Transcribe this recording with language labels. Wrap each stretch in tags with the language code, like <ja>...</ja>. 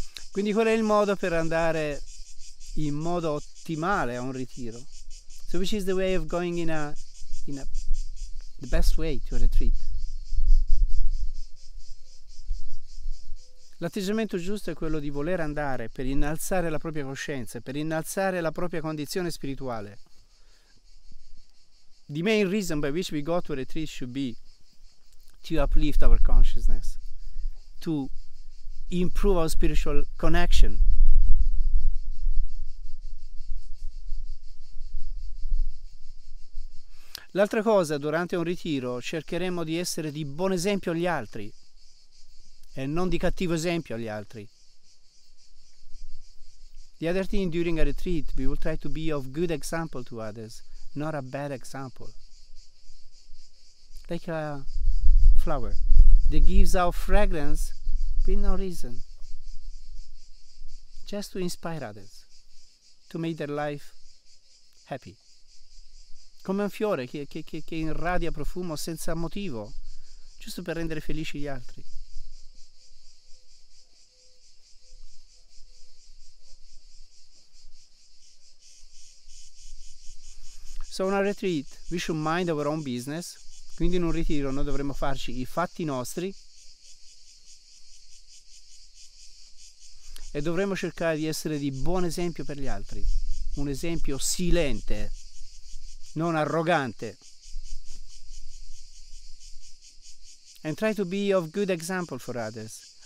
<it>Quindi qual è il modo per andare in modo ottimale a un ritiro?</it> <en>So which is the way of going in a the best way to a retreat?</en> <it>L'atteggiamento giusto è quello di voler andare per innalzare la propria coscienza, per innalzare la propria condizione spirituale.</it> <en>The main reason by which we go to a retreat should be to uplift our consciousness, to improve our spiritual connection.</en> <it>L'altra cosa, durante un ritiro cercheremo di essere di buon esempio agli altri e non di cattivo esempio agli altri.</it> <en>The other thing, during a retreat we will try to be of good example to others, not a bad example. Like a flower that gives out fragrance with no reason, just to inspire others, to make their life happy.</en> <it>Come un fiore che irradia profumo senza motivo, giusto per rendere felici gli altri.</it> <en>So in a retreat we should mind our own business.</en> <it>Quindi in un ritiro noi dovremmo farci i fatti nostri e dovremmo cercare di essere di buon esempio per gli altri, un esempio silente, non arrogante.</it> <en>And try to be of good example for others,</en>